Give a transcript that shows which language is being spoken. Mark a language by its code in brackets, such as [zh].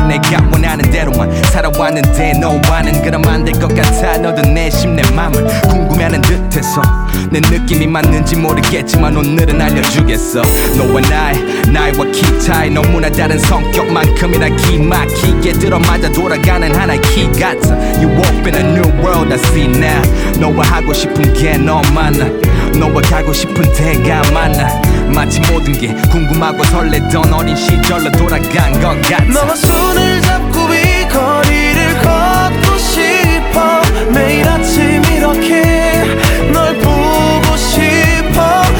[ko] 내가 원하는 대로만 살아왔는데 너와는 그럼 안 될 것 같아. 너도 내심 내 맘을 궁금해하는 듯해서 내 느낌이 맞는지 모르겠지만 오늘은 알려주겠어. 너와 나의 나이와 키 차이 너무나 다른 성격만큼이나 기막히게 들어맞아 돌아가는 하나의 키 같아. [en] You open a new world I see now. [ko] 너와 하고 싶은 게 너만아. 너와 가고 싶은 데가 많아. 마치 모든 게 궁금하고 설레던 어린 시절로 돌아간 것 같아. 너와 손을 잡고 이 거리를 걷고 싶어. 매일 아침 이렇게 널 보고 싶어.